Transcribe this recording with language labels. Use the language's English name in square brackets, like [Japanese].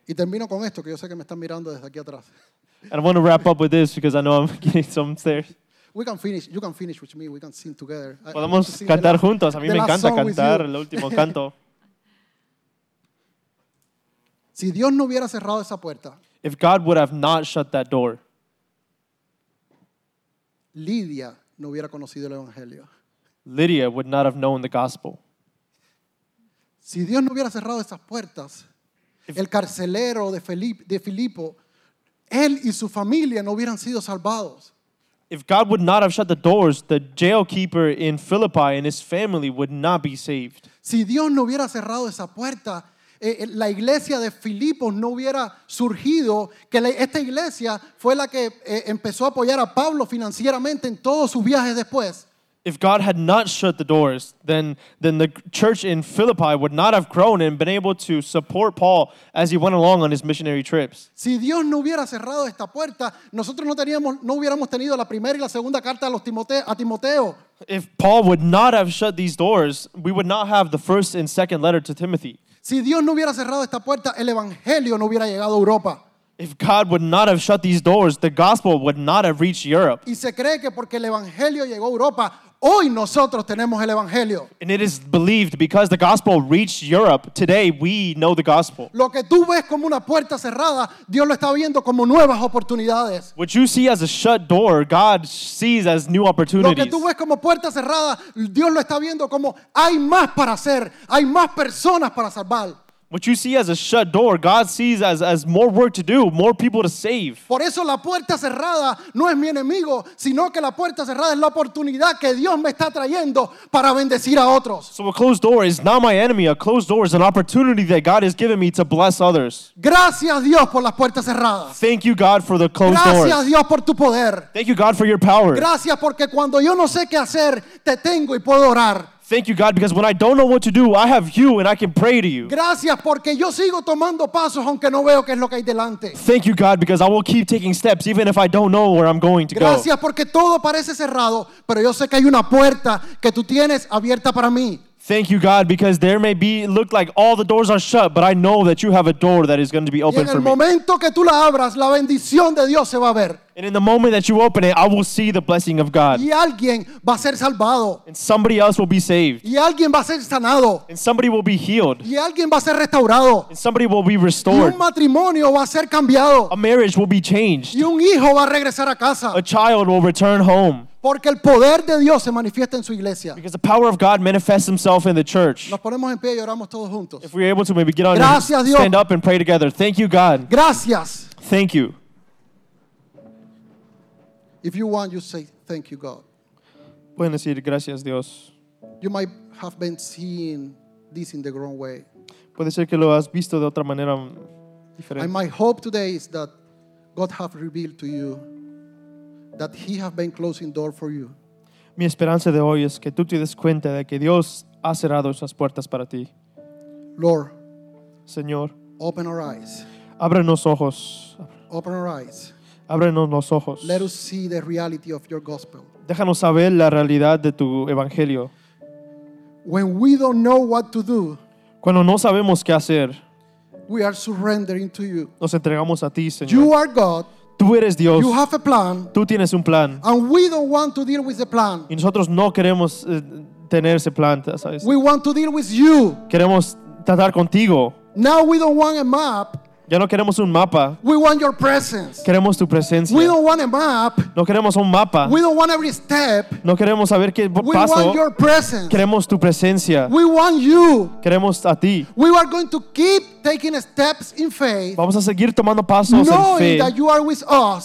[Spanish] Y termino con esto, que yo sé que me están mirando desde aquí atrás. [English] And I want to wrap up with this because I know I'm getting some stares. We can finish. You can finish with me. We can sing together. [Spanish] Podemos cantar juntos. A mí me encanta cantar el último canto. Si Dios no hubiera cerrado esa puerta. [English] If God would have not shut that door. [Spanish] Lidia no hubiera conocido el evangelio. [English] Lydia would not have known the gospel. [Spanish] Si Dios no hubiera cerrado esas puertas, el carcelero de Filipo, él y su familia no hubieran sido salvados. [English] If God would not have shut the doors, the jailkeeper in Philippi and his family would not be saved. [Spanish] Si Dios no hubiera cerrado esa puerta, la iglesia de Filipos no hubiera surgido, que esta iglesia fue la que empezó a apoyar a Pablo financieramente en todos sus viajes después. [English] If God had not shut the doors, then the church in Philippi would not have grown and been able to support Paul as he went along on his missionary trips. [Spanish] Si Dios no hubiera cerrado esta puerta, nosotros no hubiéramos tenido la primera y la segunda carta a Timoteo. [English] If Paul would not have shut these doors, we would not have the first and second letter to Timothy. [Spanish] Si Dios no hubiera cerrado esta puerta, el evangelio no hubiera llegado a Europa. [English] If God would not have shut these doors, the gospel would not have reached Europe. [Spanish] Y se cree que porque el evangelio llegó a Europa, hoy nosotros tenemos el evangelio. [English] And it is believed because the gospel reached Europe, today we know the gospel. [Spanish] Lo que tú ves como una puerta cerrada, Dios lo está viendo como nuevas oportunidades. [English] What you see as a shut door, God sees as new opportunities. [Spanish] Lo que tú ves como puerta cerrada, Dios lo está viendo como hay más para hacer, hay más personas para salvar. [English] What you see as a shut door, God sees as more work to do, more people to save. [Spanish] Por eso la puerta cerrada no es mi enemigo, sino que la puerta cerrada es la oportunidad que Dios me está trayendo para bendecir a otros. [English] So a closed door is not my enemy. A closed door is an opportunity that God has given me to bless others. [Spanish] Gracias Dios por las puertas cerradas. [English] Thank you God for the closed [Spanish] Gracias, [English] doors. [Spanish] Gracias Dios por tu poder. [English] Thank you God for your power. [Spanish] Gracias porque cuando yo no sé qué hacer, te tengo y puedo orar. [English] Thank you, God, because when I don't know what to do, I have you and I can pray to you. [Spanish] Gracias porque yo sigo tomando pasos aunque no veo qué es lo que hay delante. [English] Thank you, God, because I will keep taking steps even if I don't know where I'm going to [Spanish] Gracias [English] go. [Spanish] Gracias porque todo parece cerrado, pero yo sé que hay una puerta que tú tienes abierta para mí. [English] Thank you, God, because there may be look like all the doors are shut, but I know that you have a door that is going to be open for me. [Spanish] Y en el momento que tú la abras, la bendición de Dios se va a ver. [English] And in the moment that you open it, I will see the blessing of God. [Spanish] Y alguien va a ser salvado. [English] And somebody else will be saved. [Spanish] Y alguien va a ser sanado. [English] And somebody will be healed. [Spanish] Y alguien va a ser restaurado. [English] And somebody will be restored. [Spanish] Y un matrimonio va a ser cambiado. [English] A marriage will be changed. [Spanish] Y un hijo va a regresar a casa. [English] A child will return home. [Spanish] Porque el poder de Dios se manifiesta en su iglesia. [English] Because the power of God manifests himself in the church. [Spanish] Nos ponemos en pie y oramos todos juntos. [English] If we're able to maybe get on [Spanish] Gracias, [English] and [Spanish] Dios. [English] Stand up and pray together. Thank you, God. [Spanish] Gracias. [English] Thank you. If you want, you say, thank you, God. [Spanish] Pueden decir, gracias, Dios. [English] You might have been seeing this in the wrong way. [Spanish] Puede ser que lo has visto de otra manera diferente. [English] And my hope today is that God has revealed to you that he has been closing doors for you. [Spanish] Mi esperanza de hoy es que tú te des cuenta de que Dios ha cerrado esas puertas para ti. [English] Lord. [Spanish] Señor. [English] Open our eyes. [Spanish] Ábrenos ojos. [English] Open our eyes. [Spanish] Ábrenos los ojos. [English] Let us see the reality of your gospel. [Spanish] Déjanos saber la realidad de tu evangelio. [English] When we don't know what to do, [Spanish] cuando no sabemos qué hacer, [English] we are surrendering to you. [Spanish] Nos entregamos a ti, Señor. [English] You are God. [Spanish] Tú eres Dios. [English] You have a plan. [Spanish] Tú tienes un plan. [English] And we don't want to deal with the plan. [Spanish] Y nosotros no queremos tener ese plan, ¿sabes? [English] We want to deal with you. [Spanish] Queremos tratar contigo. [English] Now we don't want a map. [Spanish] Ya no queremos un mapa. [English] We want your presence. [Spanish] Queremos tu presencia. [English] We don't want a map. [Spanish] No queremos un mapa. [English] We don't want every step. [Spanish] No queremos saber qué paso. [English] We want your presence. [Spanish] Queremos tu presencia. [English] We want you. [Spanish] Queremos a ti. [English] We are going to keep taking steps in faith. [Spanish] Vamos a seguir tomando pasos en fe. [English] Knowing that you are with us.